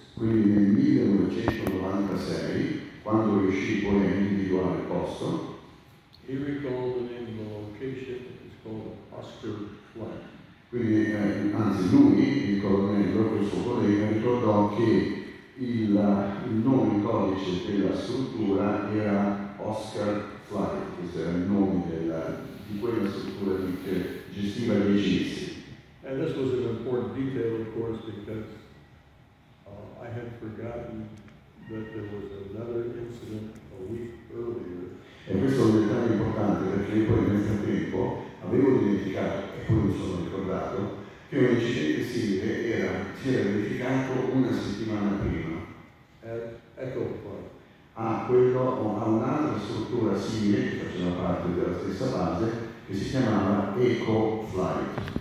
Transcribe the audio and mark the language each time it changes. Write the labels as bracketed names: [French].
[Italian] Quindi nel 1996, quando riuscì poi a individuare il posto, [English] he recalled the name of the location, it's called Oscar Flat. [Italian] Quindi, anzi lui, il colonnello, il suo collega, ricordò che il nome codice della struttura era Oscar Flight, questo era il nome di quella struttura che gestiva gli egizi. [English] And this was an important detail, of course, because I had forgotten that there was another incident a week earlier. [Italian] E questo è un dettaglio importante perché poi nel frattempo avevo dimenticato, e poi mi sono ricordato, che un incidente simile si era verificato una settimana prima. Ecco qua. A un'altra struttura simile, che faceva parte della stessa base, che si chiamava Echo Flight.